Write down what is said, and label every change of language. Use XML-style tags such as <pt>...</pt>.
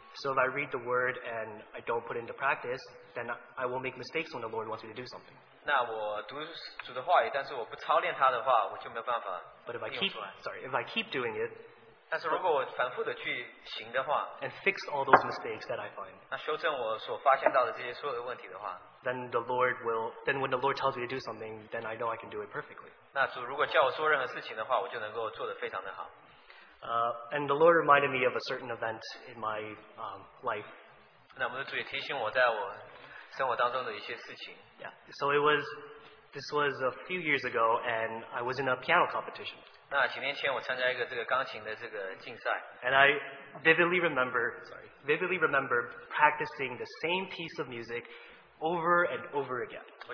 <en>So if I read the word and I don't put it into practice, then I will make mistakes when the Lord wants me to do something.</en> <zh>那我读主的话语，但是我不操练他的话，我就没有办法。</zh> <en>But if I keep doing it,</en> <zh>但是如果我反复的去行的话,</zh> <en>and fix all those mistakes that I find,</en> <zh>那修正我所发现到的这些所有的问题的话,</zh> <en>then when the Lord tells me to do something, then I know I can do it perfectly.</en> <zh>那主如果叫我做任何事情的话，我就能够做得非常的好。</zh> <en>And the Lord reminded me of a certain event in my life.</en> <zh>那我们的主也提醒我在我生活当中的一些事情。 Yeah.</zh> <en>So this was a few years ago, and I was in a piano competition.</en> <zh>那几年前我参加一个这个钢琴的这个竞赛。</zh> <en>And I vividly remember practicing the same piece of music over and over again.</en>